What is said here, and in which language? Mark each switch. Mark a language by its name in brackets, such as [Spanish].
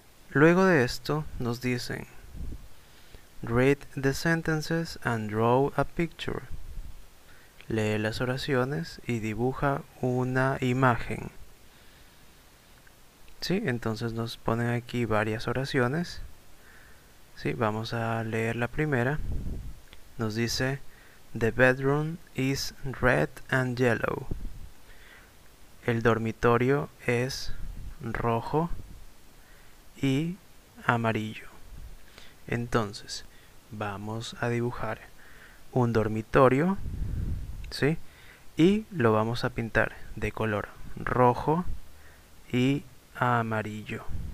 [Spanish] Luego de esto nos dicen [English] read the sentences and draw a picture. [Spanish] Lee las oraciones y dibuja una imagen. Sí, entonces nos ponen aquí varias oraciones. Sí, vamos a leer la primera. Nos dice: [English] The bedroom is red and yellow. [Spanish] El dormitorio es rojo y amarillo. Entonces, vamos a dibujar un dormitorio, ¿sí? Y lo vamos a pintar de color rojo y amarillo.